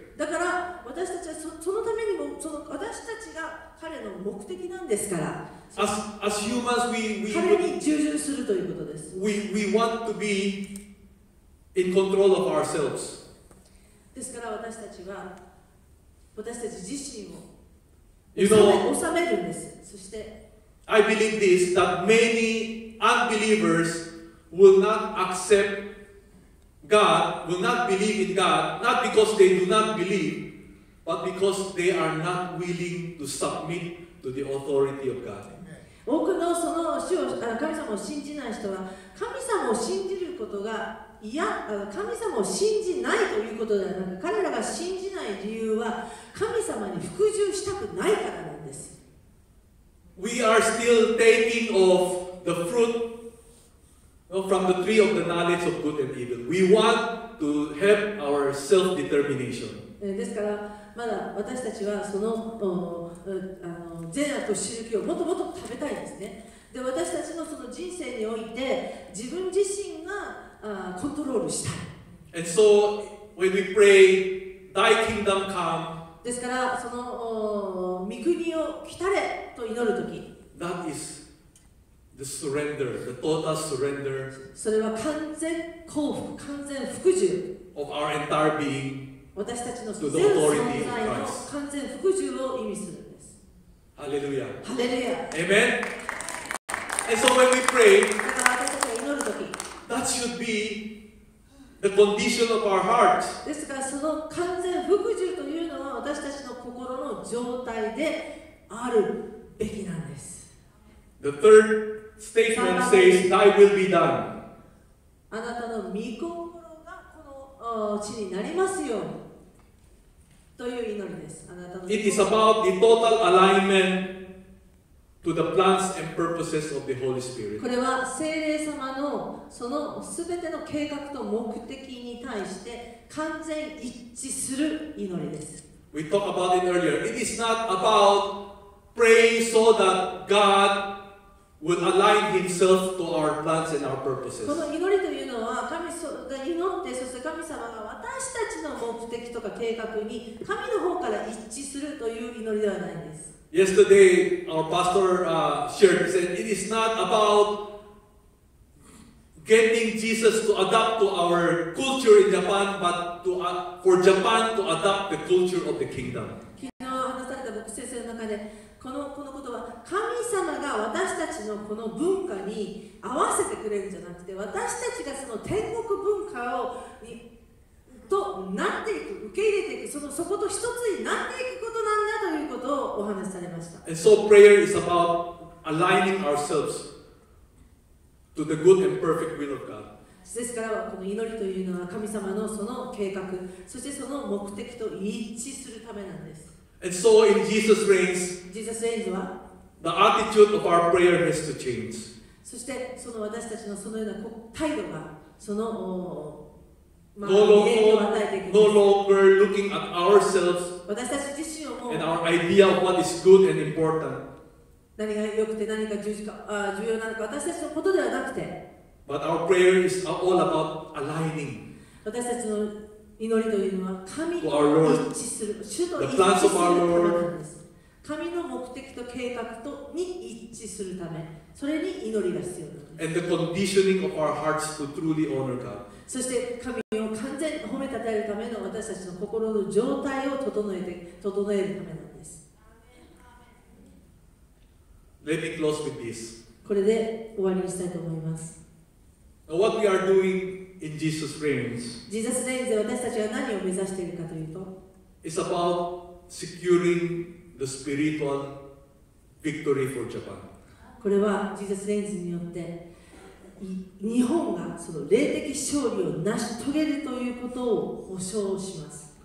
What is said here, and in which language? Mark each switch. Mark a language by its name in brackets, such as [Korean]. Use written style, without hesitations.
[Japanese] だから私たちは そのためにもその私たちが彼の目的なんですから。 [English] As humans, we [Japanese] 彼に従順するということです。 [English] We want to be in control of ourselves. [Japanese] ですから私たちは私たち自身を収めるんです。そして。 [English] I believe this, that many unbelievers will not accept God, will not believe in God, not because they do not believe, but because they are not willing to submit to the authority of God. [Japanese] 多くのその主を、神様を信じない人は、神様を信じることが嫌、神様を信じないということではなく、彼らが信じない理由は、神様に服従したくないからなんです。 [English] We are still taking off the fruit from the tree of the knowledge of good and evil. We want to have our self-determination. [Japanese] ですから、まだ私たちはその善悪と種をもっともっと食べたいですね。で、私たちのその人生において自分自身がコントロールしたい。 [English] And so, when we pray, Thy kingdom come. [Japanese] ですからその御国を来たれと祈るとき、 [English] That is the surrender, the total surrender. [Japanese] それは完全降伏、完全服従。 [English] Of our entire being. [Japanese] 私たちの全存在の完全服従を意味するんです。 [English] Hallelujah. Hallelujah. Amen. And so when we pray, [Japanese] だから私たちが祈るとき、 [English] That should be the condition of our heart. [Japanese] ですからその完全服従という私たちの心の状態であるべきなんです。 [English] The third statement says, "Thy will be done." [Japanese] あなたの御心がこの地になりますようにという祈りです。あなたの [English] It is about the total alignment to the plans and purposes of the Holy Spirit. [Japanese] これは聖霊様のそのすべての計画と目的に対して完全一致する祈りです。 [English] We talked about it earlier. It is not about praying so that God would align Himself to our plans and our purposes. [Japanese] この祈りというのは、神が祈って、そして神様が私たちの目的とか計画に神の方から一致するという祈りではないんです。 [English] Yesterday, our pastor shared. He said, "It is not about getting Jesus to adapt to our culture in Japan, but to for Japan to adapt the culture of the kingdom." [Japanese] 昨日話された牧師先生の中で、このことは神様が私たちのこの文化に合わせてくれるんじゃなくて、私たちがその天国文化をとなっていく、受け入れていく、そこと一つになっていくことなんだということをお話されました。 [English] And so prayer is about aligning ourselves. To the good and perfect will of God. [Japanese] ですからこの祈りというのは神様のその計画、そしてその目的と一致するためなんです。 [English] And so in Jesus reigns, [Japanese] Jesus reigns は、 [English] the attitude of our prayer has to change. [Japanese] そしてその私たちのそのような態度が、その、 [English] no longer looking at ourselves, [Japanese] 私たち自身をも、 [English] and our idea of what is good and important. [Japanese] 何が良くて何が重要なのか私たちのことではなくて [English] But our prayer is all about aligning [Japanese] 私たちの祈りというのは神と一致する主と一致するなんです神の目的と計画とに一致するため、それに祈りが必要なんです。 [English] And the conditioning of our hearts to truly honor God. [Japanese] そして神を完全に褒めたたえるための私たちの心の状態を整えるためなんです。 [English] Let me close with this. [Japanese] これで終わりにしたいと思います。 [English] Now what we are doing in Jesus reigns. [Japanese] Jesus reigns で私たちは何を目指しているかというと、 [English] It's about securing the spiritual victory for Japan. [Japanese] これはジーザスレインズによって日本がその霊的勝利を成し遂げるということを保証します。